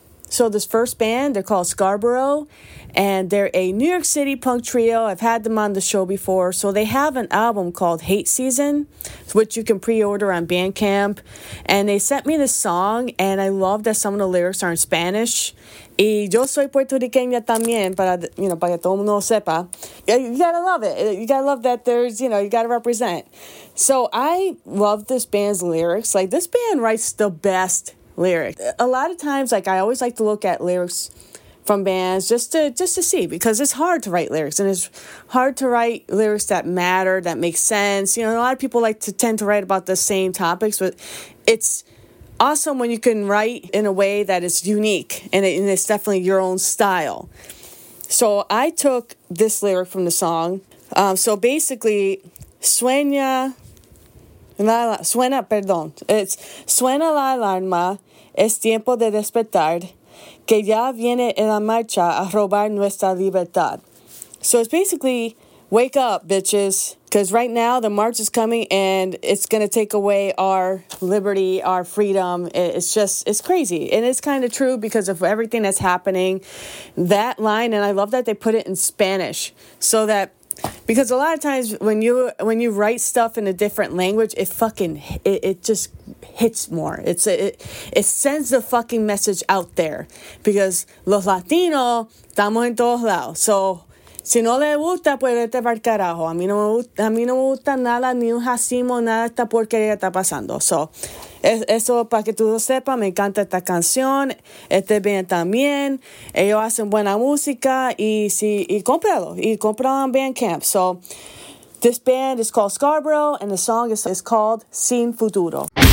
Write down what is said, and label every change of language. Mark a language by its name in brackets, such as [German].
[English] So this first band, they're called Scarborough, and they're a New York City punk trio. I've had them on the show before. So they have an album called Hate Season, which you can pre-order on Bandcamp. And they sent me this song, and I love that some of the lyrics are in Spanish. [Spanish] Y yo soy puertorriqueña también, para que todo mundo sepa. [English] You gotta love it. You gotta love that you gotta represent. So I love this band's lyrics. Like, this band writes the best lyric. A lot of times, I always like to look at lyrics from bands just to see, because it's hard to write lyrics, and it's hard to write lyrics that matter, that make sense. You know, a lot of people tend to write about the same topics, but it's awesome when you can write in a way that is unique, and it's definitely your own style. So I took this lyric from the song. So basically, [Spanish] suena la alarma, es tiempo de despertar, que ya viene en la marcha a robar nuestra libertad. [English] So it's basically, wake up, bitches, because right now the march is coming and it's going to take away our liberty, our freedom. It's crazy. And it's kind of true because of everything that's happening. That line, and I love that they put it in Spanish so that, because a lot of times when you write stuff in a different language, it just hits more. It sends the fucking message out there, because [Spanish] los latinos estamos en todos lados. So si no le gusta, pues vete para el carajo. A mí no me gusta nada, ni un racimo, nada de esta porquería está pasando. So eso para que tú lo sepas, me encanta esta canción, este band también, ellos hacen buena música, y cómpralo en Bandcamp. [English] So this band is called Scarborough, and the song is called Sin Futuro.